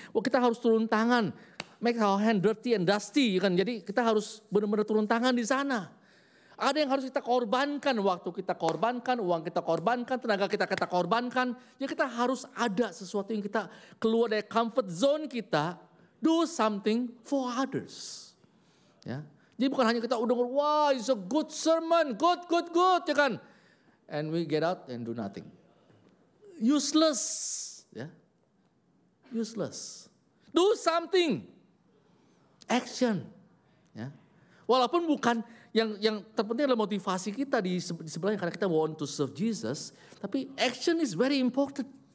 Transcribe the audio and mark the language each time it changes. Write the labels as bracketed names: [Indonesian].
[Indonesian] Wah, kita harus turun tangan, [English] make our hand dirty and dusty, [Indonesian] ya kan? Jadi kita harus benar-benar turun tangan di sana. Ada yang harus kita korbankan, waktu kita korbankan, uang kita korbankan, tenaga kita korbankan. Jadi kita harus ada sesuatu yang kita keluar dari comfort zone kita. [English] Do something for others. Ya. [Indonesian] Jadi bukan hanya kita udah ngomong, wah [English] it's a good sermon, good, [Indonesian] ya kan? [English] And we get out and do nothing. Useless. Ya. Useless. Do something. Action. Ya. [Indonesian] Walaupun bukan yang terpenting adalah motivasi kita di sebelahnya karena kita [English] want to serve Jesus. [Indonesian] Tapi [English] action is very important.